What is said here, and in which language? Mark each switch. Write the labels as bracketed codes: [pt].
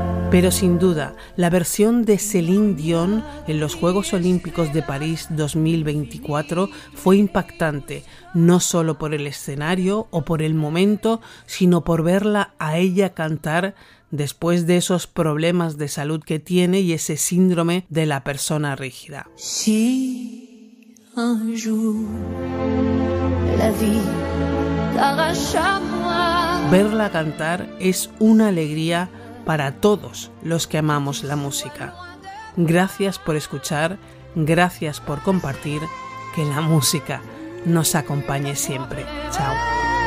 [es] Pero sin duda, la versión de Céline Dion en los Juegos Olímpicos de París 2024 fue impactante, no solo por el escenario o por el momento, sino por verla a ella cantar después de esos problemas de salud que tiene y ese síndrome de la persona rígida. [fr] Si un jour la vie t'arrache à moi. [es] Verla cantar es una alegría para todos los que amamos la música. Gracias por escuchar, gracias por compartir, que la música nos acompañe siempre. Chao.